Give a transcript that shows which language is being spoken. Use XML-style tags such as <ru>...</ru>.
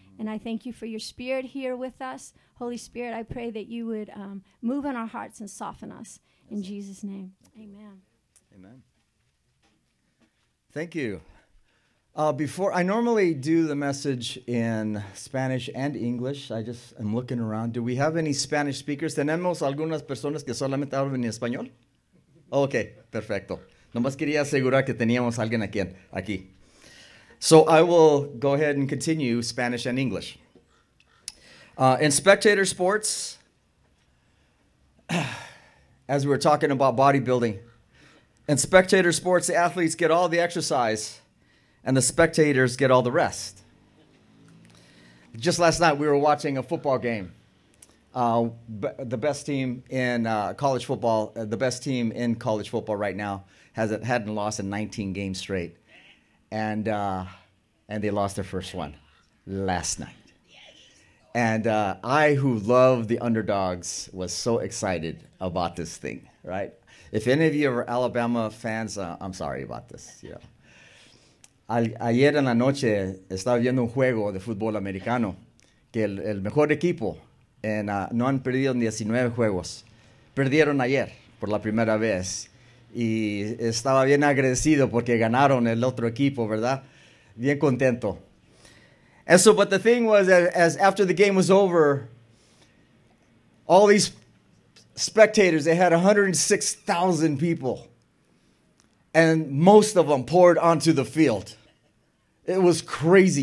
<en>And I thank you for your spirit here with us. Holy Spirit, I pray that you would move in our hearts and soften us. In Jesus' name, amen. Amen. Thank you. Before I normally do the message in Spanish and English, I just am looking around. Do we have any Spanish speakers?</en> <es>¿Tenemos algunas personas que solamente hablan en español? Okay, perfecto. Nomás quería asegurar que teníamos alguien aquí.</es> <en>So I will go ahead and continue Spanish and English. In spectator sports, as we were talking about bodybuilding, in spectator sports, the athletes get all the exercise and the spectators get all the rest. Just last night, we were watching a football game. The best team in college football, the best team in college football right now, hadn't lost in 19 games straight. And they lost their first one last night. And I, who love the underdogs, was so excited about this thing, right? If any of you are Alabama fans, I'm sorry about this. Yeah.</en> <es>Ayer en la noche estaba viendo un juego de fútbol americano que el mejor equipo en, no han perdido 19 juegos. Perdieron ayer por la primera vez. Y estaba bien agradecido porque ganaron el otro equipo, ¿verdad? Bien contento.</es> <en>And so, but the thing was, as after the game was over, all these spectators, they had 106,000 people. And most of them poured onto the field. It was crazy.</en>